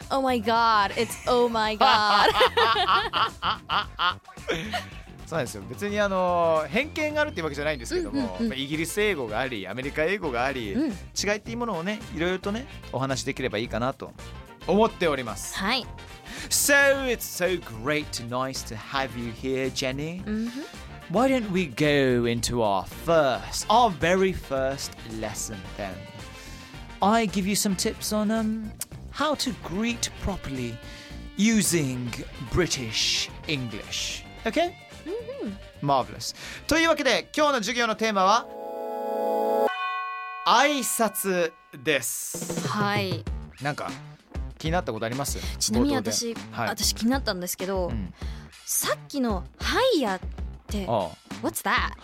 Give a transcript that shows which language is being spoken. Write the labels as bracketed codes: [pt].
[en] Oh my God, it's oh my God. [ja] そうなんですよ。別に偏見があるっていうわけじゃないんですけども、うんうんうん、まあ、イギリス英語がありアメリカ英語があり、うん、違いっていうものをねいろいろとねお話しできればいいかなと思っております。はい。 [en] So it's so great and nice to have you here, Jenny、 mm-hmm. Why don't we go into our very first lesson then? I give you some tips on how to greet properly using British English. Okay? マーベラス。 [ja] というわけで今日の授業のテーマは挨拶です。はい。なんか気になったことあります？ちなみに私、はい、私気になったんですけど、うん、さっきのハイヤってああ [en] What's that?